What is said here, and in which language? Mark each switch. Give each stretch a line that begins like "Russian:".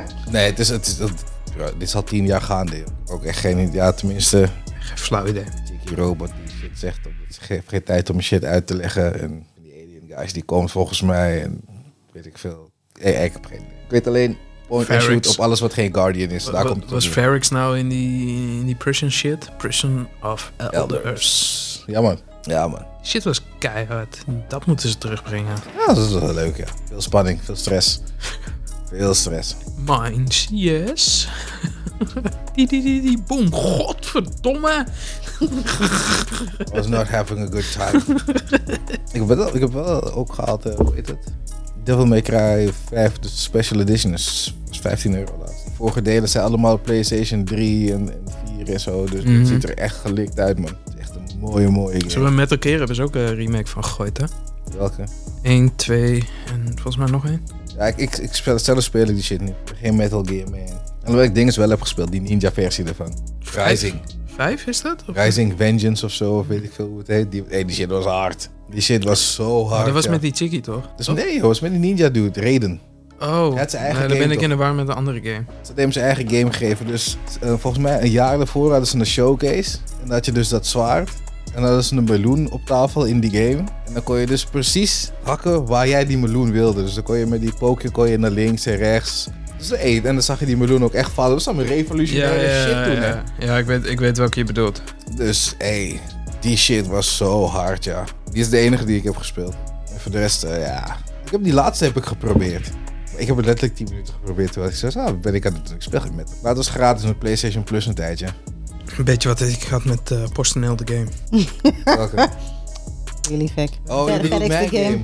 Dutch: Nee, dit is al 10 jaar gaande. Ook echt geen idee. Ja, tenminste. Geen flauw idee. Tiki Robot die shit zegt. Het geeft geen tijd om shit uit te leggen. En die alien guys die komen volgens mij. En weet ik veel. Hey, ik heb geen idee. Ik weet alleen
English: point and shoot
Dutch: op alles wat geen Guardian is. Daar komt het was Ferrix nou in die prison shit? Prison of Elders. Ja man. Shit was keihard. Dat moeten ze terugbrengen. Ja, dat is wel leuk, ja. Veel spanning, veel stress. Veel stress.
English: Mines, yes.
Dutch: die boom, godverdomme.
English: I was not having a good time.
Dutch: ik heb wel ook gehaald, hoe heet het? Devil May Cry 5, de special edition, is €15 laatst. De vorige delen zijn allemaal PlayStation 3 en 4 en zo, dus het ziet er echt gelikt uit, man. Het is echt een mooie, mooie game. Zullen we Metal Gear hebben ze ook een remake van gegooid, hè? Welke? 1, 2 en volgens mij nog één. Ja, ik zelf speel die shit niet. Geen Metal Gear meer. En wat ik dingen wel heb gespeeld, die ninja versie ervan. Rising. Vijf is dat? Of? Rising Vengeance of zo, of weet ik veel hoe het heet. Die shit was hard. Die shit was zo hard. Maar dat was met die chickie toch? Dus nee, dat was met die ninja dude, Raiden. Oh, had zijn eigen game, dan ben ik toch in de war met een andere game. Ze hebben zijn eigen game gegeven. Dus volgens mij een jaar daarvoor hadden ze een showcase. En dat je dus dat zwaard. En dan hadden ze een meloen op tafel in die game. En dan kon je dus precies hakken waar jij die meloen wilde. Dus dan kon je met die pookje kon je naar links en rechts. Dus één. En dan zag je die meloen ook echt vallen. Dat was allemaal revolutionaire shit toen. Ja, ik weet welke je bedoelt. Dus die shit was zo hard, ja. Die is de enige die ik heb gespeeld. En voor de rest, Ik heb die laatste heb ik geprobeerd. Ik heb het letterlijk 10 minuten geprobeerd. Terwijl ik zei, ben ik aan het spelen met. Maar het was gratis met PlayStation Plus een tijdje. Een beetje wat ik had met PostNL The Game.
English: Okay. Really fake.
Dutch: Oh, je bedoelt mijn game.